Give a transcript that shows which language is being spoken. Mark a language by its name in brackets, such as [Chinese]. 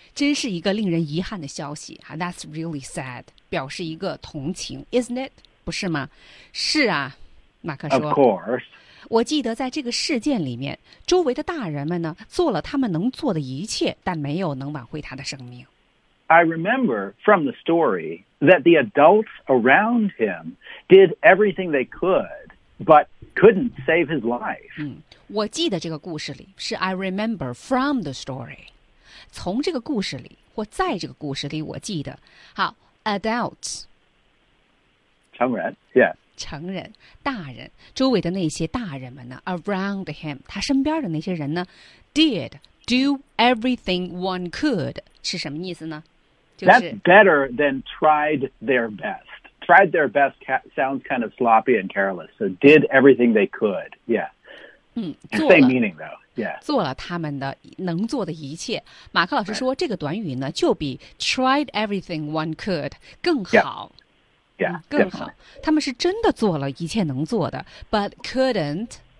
[Chinese] 真是一个令人遗憾的消息啊 ！ [English] That's really sad. [Chinese] 表示一个同情 ， [English] isn't it？ [Chinese] 不是吗？是啊，马克说。 [English] Of course。 [Chinese] 我记得在这个事件里面，周围的大人们呢做了他们能做的一切，但没有能挽回他的生命。 [English] I remember from the story that the adults around him did everything they could, but couldn't save his life. [Chinese] 我记得这个故事里是 [English] I remember from the story， [Chinese] 从这个故事里或在这个故事里，我记得好。Adults, 成人 ，yeah，成人，大人，周围的那些大人们呢 ？ [English] Around him， [Chinese] 他身边的那些人呢 ？ [English] Did do everything one could [Chinese] 是什么意思呢？就是 [English] That's better than tried their best. Tried their best sounds kind of sloppy and careless. So did everything they could, yeah. Same meaning though. Yeah. [Chinese] 做了他们的能做的一切。马克老师说、 [English] right. [Chinese] 这个短语呢就比 tried everything one could 更好。 [English] Yeah. Yeah, [Chinese] 更好。他们是真的做了一切能做的 [English] but couldn't